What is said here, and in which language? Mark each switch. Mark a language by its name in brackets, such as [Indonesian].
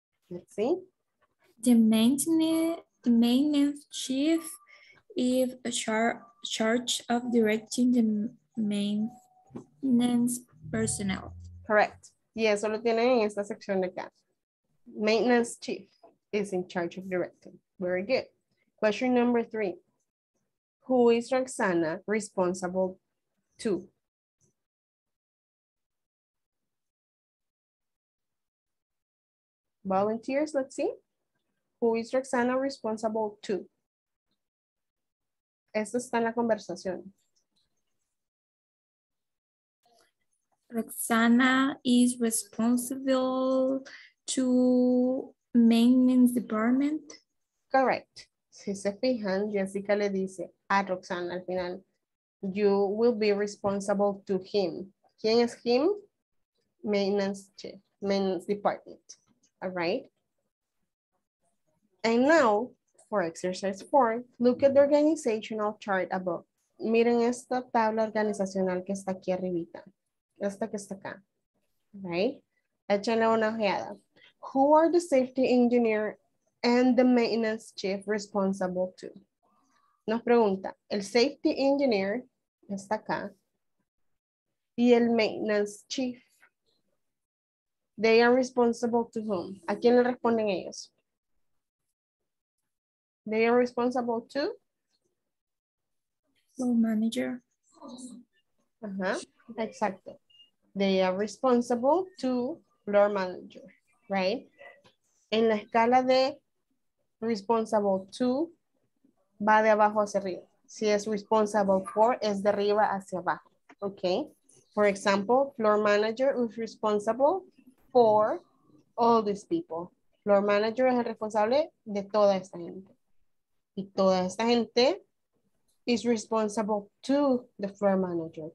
[English] Let's see. The maintenance chief is charge of directing the maintenance personnel. Correct. [Spanish] Y eso lo tienen en esta sección de acá. [English] Maintenance chief is in charge of directing. Very good. Question number three. Who is Roxana responsible to? Volunteers, let's see. Who is Roxana responsible to? [Spanish] Esto está en la conversación. [English] Roxana is responsible to maintenance department. Correct. [Spanish] Si se fijan, Jessica le dice a Roxana al final, [English] you will be responsible to him. [Spanish] ¿Quién es him? [English] Maintenance chief, maintenance department. All right. And now, for exercise 4, look at the organizational chart above. [Spanish] Miren esta tabla organizacional que está aquí arribita. Esta que está acá. [English] Right? [Spanish] Échenle una ojeada. [English] Who are the safety engineer and the maintenance chief responsible to? [Spanish] Nos pregunta, el safety engineer está acá. Y el [English] maintenance chief. They are responsible to whom? [Spanish] ¿A quién le responden ellos? [English] They are responsible to? The manager. Uh-huh. [Spanish] Exacto. [English] They are responsible to floor manager, right? [Spanish] En la escala de responsible to, va de abajo hacia arriba. Si es responsible for, es de arriba hacia abajo, okay? [English] For example, floor manager is responsible for all these people. [Spanish] Floor manager es el responsable de toda esta gente. Y toda esta gente [English] is responsible to the floor manager.